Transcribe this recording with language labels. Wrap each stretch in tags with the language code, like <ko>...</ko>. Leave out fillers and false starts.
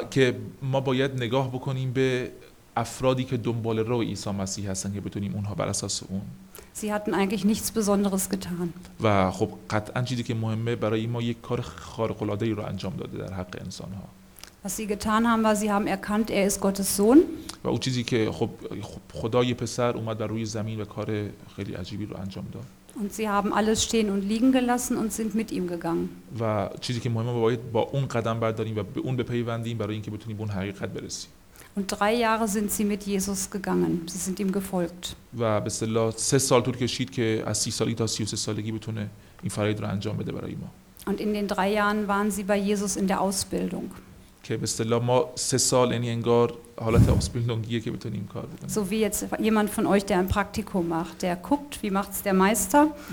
<fa>که ما باید نگاه بکنیم به افرادی که دنبال رو عیسی مسیح هستن که بتونیم اونها بر اساس اون.</fa> <de>Sie hatten eigentlich nichts Besonderes getan.</de> <fa>و خب قطعاً چیزی که مهمه برای ما یک کار خارق العاده ای رو انجام داده در حق انسان ها.</fa> <de>Was sie getan haben, war sie haben erkannt, er ist Gottes Sohn.</de> <fa>و اون چیزی که خب خدای پسر اومد بر روی زمین و کار خیلی عجیبی رو انجام داد.</fa> <de>Und sie haben alles stehen und liegen gelassen und sind mit ihm gegangen.</de> <fa>و چیزی که مهمه باید با اون قدم برداریم و به اون بپیوندیم برای اینکه بتونیم اون حقیقت برسیم.</fa> <de>Und 3 Jahre sind sie mit Jesus gegangen. Sie sind ihm gefolgt.</de> <fa>و به اصطلاح 3 سال طول کشید که از 30 سالی تا 33 سالگی بتونه این فرایند رو انجام بده برای ما.</fa> <de>Und in den 3 Jahren waren sie bei Jesus in der Ausbildung.</de> <fa>که به اصطلاح ما 3 سال یعنی انگار حالت آسپیلندونگیه که بتونیم کار بکنیم.</fa> <de>So wie jetzt jemand von euch, der ein Praktikum macht, der guckt, wie macht's der Meister.</de>